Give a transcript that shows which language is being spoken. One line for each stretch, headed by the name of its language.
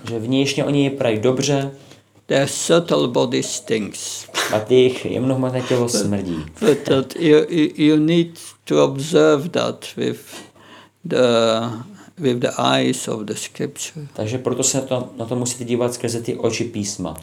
Czech: Že vnějšně oni vypadají dobře.
English: Their subtle body stinks.
Czech: A těch jemnohmotné tělo smrdí.
English: But that you need to observe that with the eyes of the scripture.
Czech: Takže proto se na to musíte dívat skrze ty oči písma.